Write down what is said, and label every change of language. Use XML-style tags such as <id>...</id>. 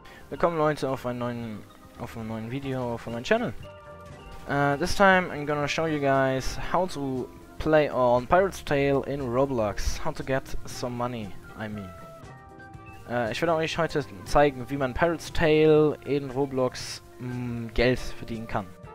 <de>Willkommen Leute auf einem neuen Video auf meinem Channel.</de> <en>This time I'm gonna show you guys how to play on Pirate's Tale in Roblox, how to get some money, I mean.</en> <de>Ich werde euch heute zeigen, wie man Pirate's Tale in Roblox Geld verdienen kann.</de>